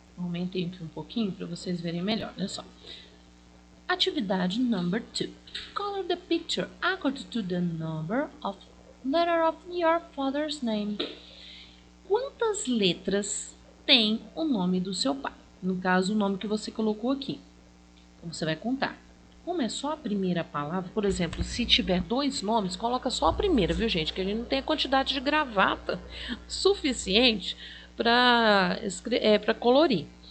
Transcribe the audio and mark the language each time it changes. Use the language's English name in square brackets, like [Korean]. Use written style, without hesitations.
[Portuguese] Aumentei aqui um pouquinho para vocês verem melhor. Olha só. Atividade [English] number 2. Color the picture according to the number of letter of your father's name. [Portuguese] Quantas letras tem o nome do seu pai? No caso, o nome que você colocou aqui. Então, você vai contar. Como é só a primeira palavra, por exemplo, se tiver dois nomes, coloca só a primeira, viu, gente? Que a gente não tem a quantidade de gravata suficiente para colorir.